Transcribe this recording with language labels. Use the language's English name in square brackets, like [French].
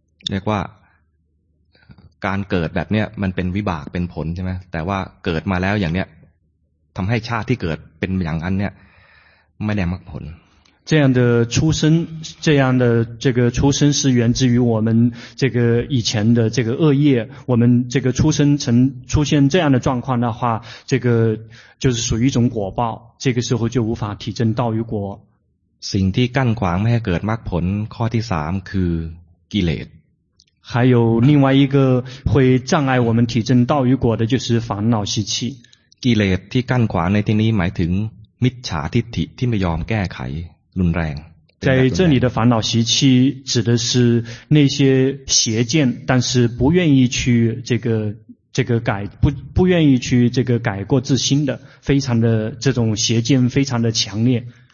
[Thai] เรียกว่าการเกิดแบบเนี้ยมันเป็นวิบากเป็นผลใช่ไหมแต่ว่าเกิดมาแล้วอย่างเนี้ยทำให้ชาติที่เกิดเป็นอย่างอันเนี้ยไม่ได้มรรคผล [Chinese] 这样的出生这样的这个出生是源自于我们这个以前的这个恶业我们这个出生曾出现这样的状况的话这个就是属于一种果报这个时候就无法提证道与果 [Thai] สิ่งที่กั้นขวางไม่ให้เกิดมรรคผลข้อที่สามคือกิเลส [Chinese] 还有另外一个会障碍我们提证道与果的就是烦恼习气 [Thai] กิเลสที่กั้นขวางในที่นี้หมายถึงมิจฉาทิฏฐิที่ไม่ยอมแก้ไขรุนแรง [Chinese] 在这里的烦恼习气指的是那些邪见，但是不愿意去这个改，不愿意去这个改过自新的，非常的这种邪见非常的强烈。